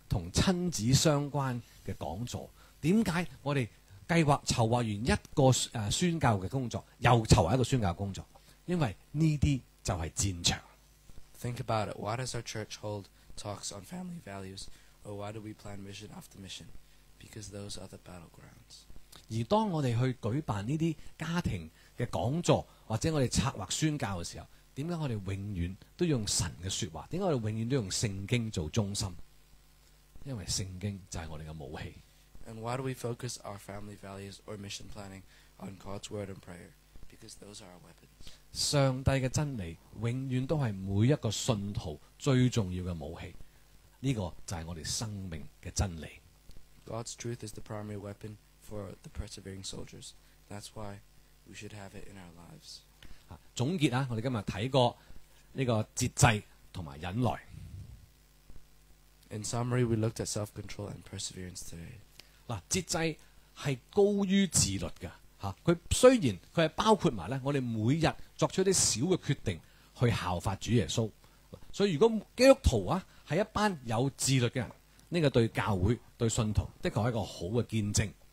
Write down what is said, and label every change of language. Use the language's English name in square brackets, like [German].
[Cantonese] 同親子相關嘅講座，點解我哋計劃籌劃完一個宣教嘅工作，又籌劃一個宣教工作？因為呢啲就係戰場。 [English] Think about it. Why does our church hold talks on family values, or why do we plan mission after mission? Because those are the battlegrounds. [Cantonese] 而當我哋去舉辦呢啲家庭嘅講座，或者我哋策劃宣教嘅時候，點解我哋永遠都用神嘅説話？點解我哋永遠都用聖經做中心？因為聖經就係我哋嘅武器。 [English] And why do we focus our family values or mission planning on God's word and prayer? Because those are our weapons. [Cantonese] 上帝嘅真理永遠都係每一個信徒最重要嘅武器。呢個就係我哋生命嘅真理。 [English] God's truth is the primary weapon for the persevering soldiers. That's why we should have it in our lives. [Cantonese] 總結啊，我哋今日睇過呢個節制同埋忍耐。 [English] In summary, we looked at self-control and perseverance today. [Cantonese] 嗱，節制係高於自律嘅嚇。佢雖然佢係包括埋咧，我哋每日作出啲小嘅決定去效法主耶穌。所以如果基督徒啊係一班有自律嘅人，呢個對教會對信徒的確係一個好嘅見證。